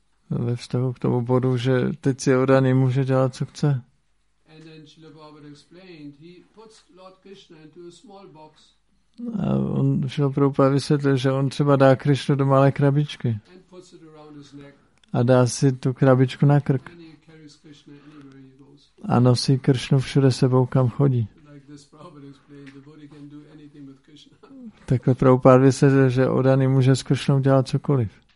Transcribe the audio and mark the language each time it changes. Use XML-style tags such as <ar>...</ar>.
<cs>Ve vztahu k tomu bodu, že teď si odaný může dělat, co chce.</cs> <en>And then Srila Prabhupada explained, he puts Lord Krishna into a small box.</en> <cs>A on Srila Prabhupada vysvětlil, že on třeba dá Krishnu do malé krabičky.</cs> <en>And puts it around his neck.</en> <cs>A dá si tu krabičku na krk.</cs> <en>And he carries Krishna anywhere he goes.</en> <cs>A nosí Krishnu všude sebou, kam chodí.</cs> <en>Like this Prabhupada explained, the body can do anything with Krishna.</en> <cs>Takhle Prabhupada vysvětlil, že odaný může s Krishnou dělat cokoliv.</cs>